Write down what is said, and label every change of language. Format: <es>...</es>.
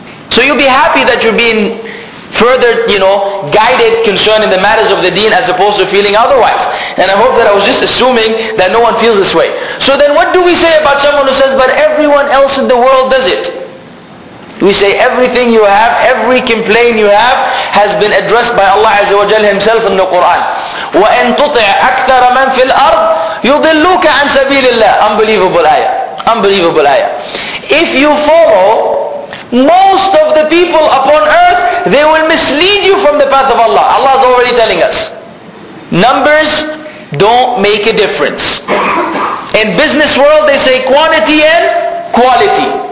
<en>So you'll be happy that you're being further, you know, guided concerning the matters of the deen as opposed to feeling otherwise. And I hope that I was just assuming that no one feels this way. So then what do we say about someone who says, but everyone else in the world does it? We say everything you have, every complaint you have has been addressed by Allah Azza wa Jalla Himself in the Quran.</en> <ar>وَأَن تُطِعْ أَكْثَرَ مَن فِي الْأَرْضِ يُضِلُّكَ عَن سَبِيلِ اللَّهِ</ar> <en>Unbelievable ayah. Unbelievable ayah. If you follow most of the people upon earth, they will mislead you from the path of Allah. Allah is already telling us. Numbers don't make a difference. In business world, they say quantity and quality.</en>